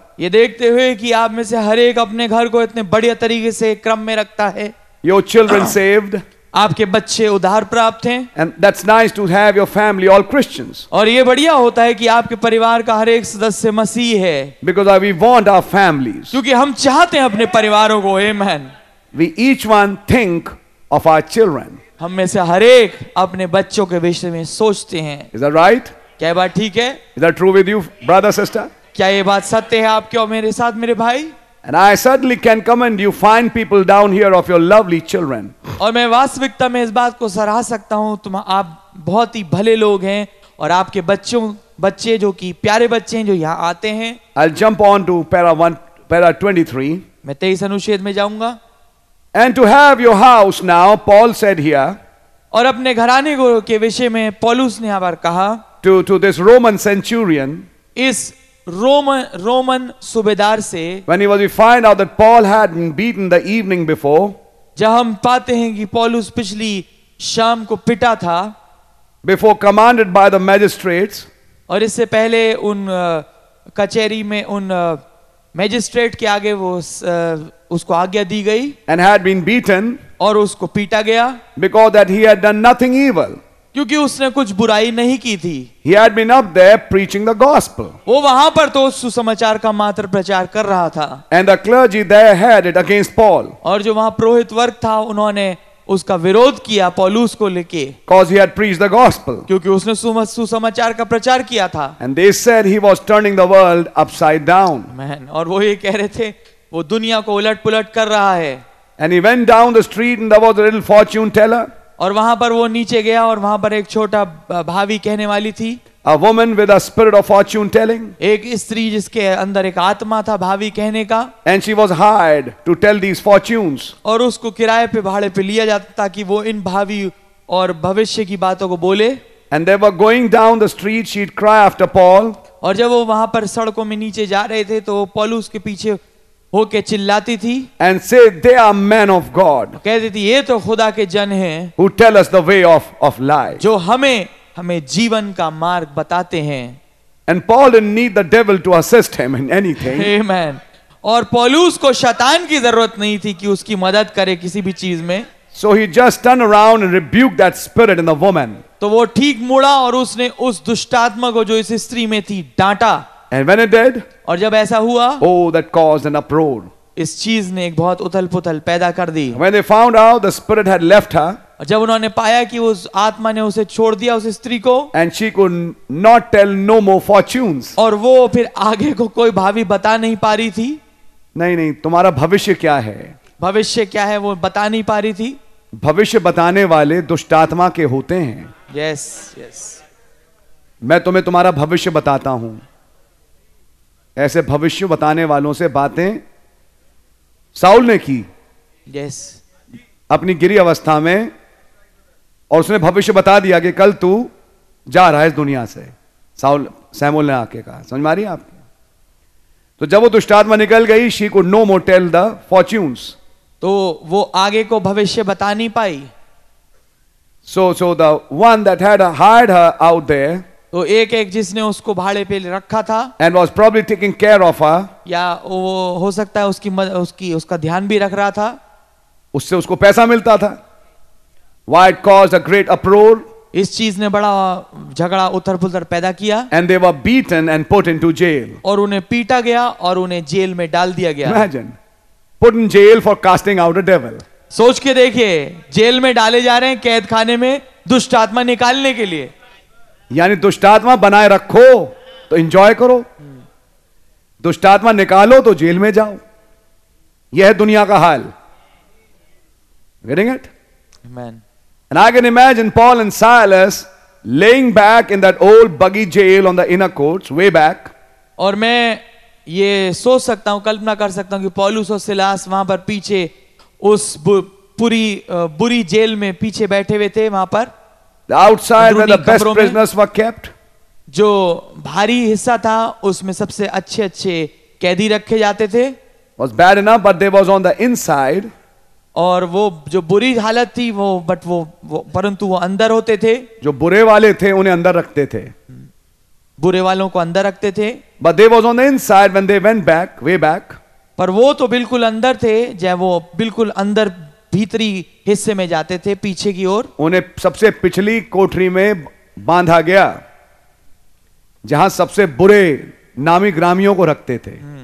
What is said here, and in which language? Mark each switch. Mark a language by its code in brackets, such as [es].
[hi] ये देखते हुए कि आप में से हर एक अपने घर को इतने बढ़िया तरीके से क्रम में रखता है. [en] Your children saved. [hi] आपके बच्चे उधार प्राप्त हैं. [en] And that's nice to have your family all Christians. [hi] और ये बढ़िया होता है कि आपके परिवार का हर एक सदस्य मसीह है. [en] Because we want our families. [hi] क्योंकि हम चाहते हैं अपने परिवारों को. [en] Amen. We each one think of our children. [hi] हम में से हर एक अपने बच्चों के विषय में सोचते हैं. [en] Is that right? [hi] क्या बात ठीक है? [en] Is that true with you, brother, sister? [hi] क्या ये बात सत्य है आपके और मेरे साथ मेरे भाई? [en] And I certainly can commend you fine people down here of your lovely children. [hi] और मैं वास्तविकता में इस बात को सराह सकता हूँ तुम आप बहुत ही भले लोग हैं और आपके बच्चों बच्चे जो कि प्यारे बच्चे हैं जो यहाँ आते हैं. [en] I'll jump on to para 23. [hi] मैं 23 अनुच्छेद में जाऊँगा. [en] And to have your house now, Paul said here. [hi] और अपने घराने के विषय में पौलुस ने यहाँ पर कहा. [en] To this Roman centurion. [hi] इस Roman सुबेदार से. [en] When he was, we find out that Paul had been beaten the evening before. [hi] जहाँ हम पाते हैं कि पौलुस पिछली शाम को पिटा था. [en] Before commanded by the magistrates. [hi] और इससे पहले उन कचहरी में उन मैजिस्ट्रेट के आगे वो उसको आज्ञा दी गई. [en] And had been beaten. [hi] और उसको पीटा गया. [en] Because that he had done nothing evil. [hi] क्योंकि उसने कुछ बुराई नहीं की थी. [en] He had been up there preaching the gospel. [hi] वो वहां पर तो सुसमाचार का मात्र प्रचार कर रहा था. [en] And the clergy there had it against Paul. [hi] और जो वहां पुरोहित वर्ग था उन्होंने उसका विरोध किया पौलुस को लेके. [en] Because he had preached the gospel. [hi] क्योंकि उसने सुसमाचार का प्रचार किया था. [en] And they said he was turning the world upside down. [hi] Man, और वो ये कह रहे थे वो दुनिया को उलट पुलट कर रहा है. [en] And he went down the street and there was a little fortune teller. [hi] और वहां पर वो नीचे गया और वहां पर एक छोटा भावी कहने वाली थी. [en] A woman with a spirit of fortune telling. [hi] एक स्त्री जिसके अंदर एक आत्मा था भावी कहने का. [en] And she was hired to tell these fortunes. [hi] और उसको किराए पे भाड़े पे लिया जाता ताकि वो इन भावी और भविष्य की बातों को बोले. [en] And they were going down the street, she'd cry after Paul. [hi] और जब वो वहां पर सड़कों में नीचे जा रहे थे तो पौलुस के पीछे होके चिल्लाती थी. [en] And say they are men of God. [hi] कहती थी ये तो खुदा के जन हैं. [en] Who tell us the way of life. [hi] जो हमें जीवन का मार्ग बताते हैं. [en] And Paul didn't need the devil to assist him in anything. Amen. [hi] और पौलुस को शैतान की जरूरत नहीं थी कि उसकी मदद करे किसी भी चीज में. [en] So he just turned around and rebuked that spirit in the woman. [hi] तो वो ठीक मुड़ा और उसने उस दुष्टात्मा को जो इस स्त्री में थी डांटा. [en] And when it did, [hi] और जब ऐसा हुआ, [en] oh, that caused an uproar. [hi] इस चीज़ ने एक बहुत उथल-पुथल पैदा कर दी. [en] When they found out the spirit had left her, [hi] और जब उन्होंने पाया कि उस आत्मा ने उसे छोड़ दिया उस स्त्री को, [en] and she could not tell no more fortunes. [hi] और वो फिर आगे को कोई भावी बता नहीं पा रही थी. नहीं, तुम्हारा भविष्य क्या है? भविष्य क्या है वो बता नहीं पा रही थी. भविष्य बताने वाले दुष्टात्मा के होते हैं. [en] Yes. [hi] मैं तुम्हें तुम्हारा भविष्य बताता हूं. ऐसे भविष्य बताने वालों से बातें साउल ने की. [en] Yes. [hi] अपनी गिरी अवस्था में. और उसने भविष्य बता दिया कि कल तू जा रहा है इस दुनिया से. साउल सैमुअल ने आके कहा. समझ मारी आप? तो जब वो दुष्टात्मा निकल गई [en] She could no more tell the fortunes. [hi] तो वो आगे को भविष्य बता नहीं पाई. [en] So the one that had hired her out there. [hi] तो एक एक जिसने उसको भाड़े पे रखा था. [en] And was probably taking care of her. [hi] या वो हो सकता है उसकी उसकी उसका ध्यान भी रख रहा था. उससे उसको पैसा मिलता था. [en] Why it caused a great uproar. [hi] इस चीज ने बड़ा झगड़ा उथल पुथल पैदा किया. [en] And they were beaten and put into jail. [hi] और उन्हें पीटा गया और उन्हें जेल में डाल दिया गया. [en] Imagine. Put in jail for casting out a devil. [hi] सोच के देखिए जेल में डाले जा रहे हैं कैद खाने में दुष्ट आत्मा निकालने के लिए. यानी दुष्टात्मा बनाए रखो तो इंजॉय करो, दुष्टात्मा निकालो तो जेल में जाओ, यह है दुनिया का हाल। [en] Getting it? Amen. And I can imagine Paul and Silas laying back in that old buggy jail on the inner courts way back. [hi] और मैं ये सोच सकता हूँ, कल्पना कर सकता हूँ कि पौलुस और सिलास वहाँ पर पीछे उस पूरी बुरी जेल में पीछे बैठे हुए थे वहाँ पर। [en] The outside where the best prisoners were kept. [hi] जो भारी हिस्सा था उसमें सबसे अच्छे अच्छे कैदी रखे जाते थे। [en] Was bad enough, but they was on the inside. [hi] और वो जो बुरी हालत थी वो बट वो परंतु वो अंदर होते थे, जो बुरे वाले थे उन्हें अंदर रखते थे, बुरे वालों को अंदर रखते थे। [en] But they was on the inside when they went back, way back. [hi] पर वो तो बिल्कुल अंदर थे, जब वो बिल्कुल अंदर भीतरी हिस्से में जाते थे पीछे की ओर, उन्हें सबसे पिछली कोठरी में बांधा गया जहां सबसे बुरे नामी ग्रामियों को रखते थे।